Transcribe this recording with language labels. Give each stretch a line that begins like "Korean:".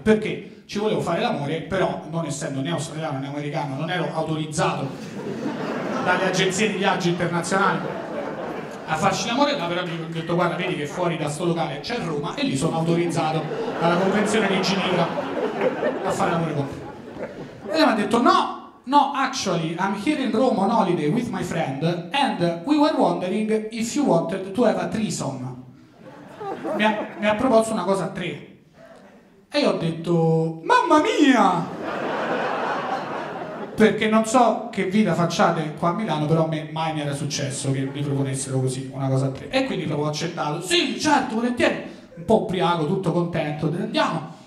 Italian: Perché ci volevo fare l'amore, però non essendo né australiano né americano non ero autorizzato ad dalle agenzie di viaggio internazionali a farci l'amore, là però mi ho detto guarda, vedi che fuori da sto locale c'è Roma e lì sono autorizzato dalla convenzione di Ginevra a fare l'amore con te. E lei mi ha detto no,
English: actually I'm here in Rome on holiday with my friend and we were wondering if you wanted to have a threesome.
Italian: Mi ha proposto una cosa a tre e io ho detto mamma mia, perché non so che vita facciate qua a Milano, però a me mai mi era successo che mi proponessero così una cosa a tre, e quindi proprio accettato, sì certo volentieri, un po' ubriaco, tutto contento, andiamo.